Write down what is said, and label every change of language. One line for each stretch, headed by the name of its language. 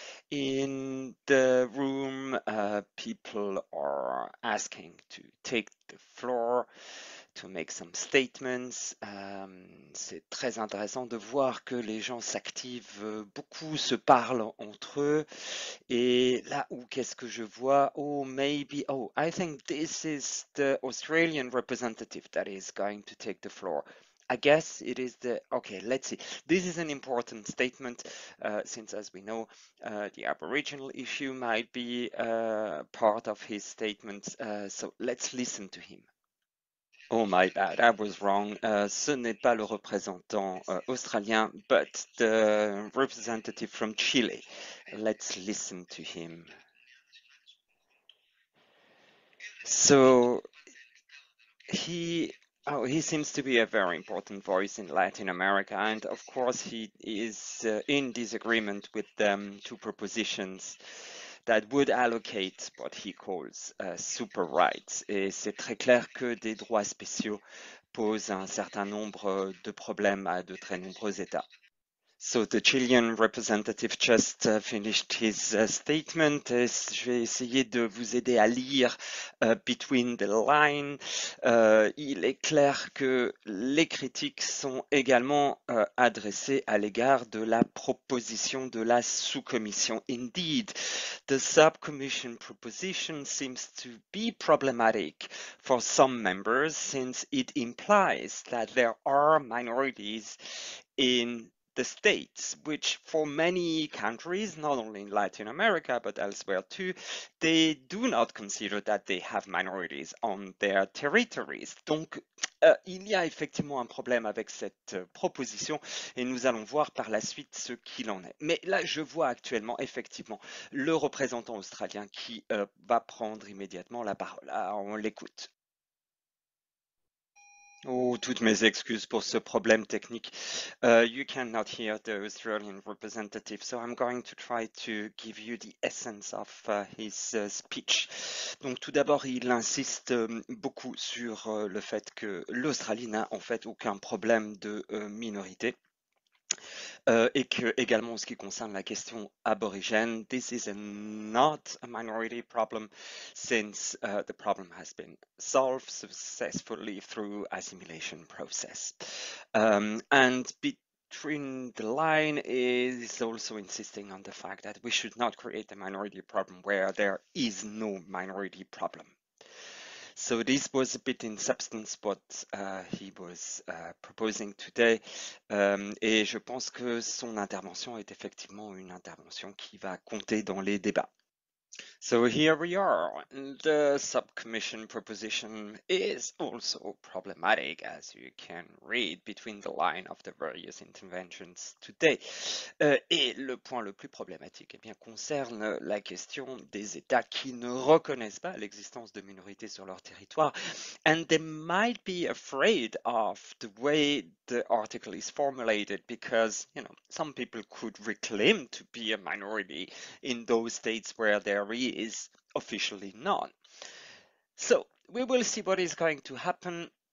English: In the room, people are asking to take the floor, to make some statements.
French: C'est très intéressant de voir que les gens s'activent beaucoup, se parlent entre eux. Et là où, qu'est-ce que je vois?
English: Oh, maybe, oh, I think this is the Australian representative that is going to take the floor. I guess it is the, okay, let's see. This is an important statement, since as we know, the Aboriginal issue might be part of his statement. So let's listen to him. Oh my bad, I was wrong.
French: Ce n'est pas le représentant australien,
English: but the representative from Chile. Let's listen to him. So he seems to be a very important voice in Latin America, and of course he is in disagreement with the two propositions that would allocate what he calls super rights.
French: Et c'est très clair que des droits spéciaux posent un certain nombre de problèmes à de très nombreux États.
English: So the Chilean representative just finished his statement.
French: Je vais essayer de vous aider à lire
English: between the lines.
French: Il est clair que les critiques sont également adressées à l'égard de la proposition de la sous-commission.
English: Indeed, the sub-commission proposition seems to be problematic for some members since it implies that there are minorities in the states, which for many countries, not only in Latin America, but elsewhere too, they do not consider that they have minorities on their territories.
French: Donc, il y a effectivement un problème avec cette proposition et nous allons voir par la suite ce qu'il en est. Mais là, je vois actuellement effectivement le représentant australien qui va prendre immédiatement la parole. Alors, on l'écoute. Oh, toutes mes excuses pour ce problème technique.
English: You cannot hear the Australian representative, so I'm going to try to give you the essence of his speech.
French: Donc, tout d'abord, il insiste beaucoup sur le fait que l'Australie n'a en fait aucun problème de minorité. Et que, également, en ce qui concerne la question aborigène,
English: this is not a minority problem since the problem has been solved successfully through assimilation process. And between the line is also insisting on the fact that we should not create a minority problem where there is no minority problem. So this was a bit in substance what he was proposing today.
French: Et je pense que son intervention est effectivement une intervention qui va compter dans les débats.
English: So here we are. The subcommission proposition is also problematic, as you can read between the line of the various interventions today.
French: Et le point le plus problématique, eh bien, concerne la question des États qui ne reconnaissent pas l'existence de minorités sur leur territoire.
English: And they might be afraid of the way the article is formulated because, you know, some people could reclaim to be a minority in those states where they're is officially known. So we will see what is going to happen.